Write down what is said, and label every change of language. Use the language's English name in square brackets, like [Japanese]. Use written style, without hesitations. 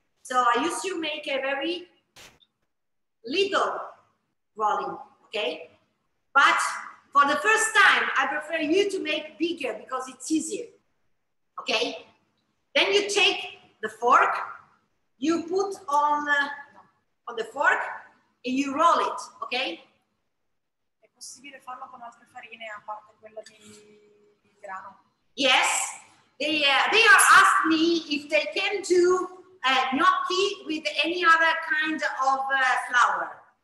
[English] So I used to make a very little rolling, okay? But for the first time, I prefer you to make bigger because it's easier, okay? Then you take the fork, you put on the fork and you roll it, okay? [Italian] Possibile farlo con altre farine a parte quella di grano. [English] Yes, they are asked me if they can do gnocchi with any other kind of flour.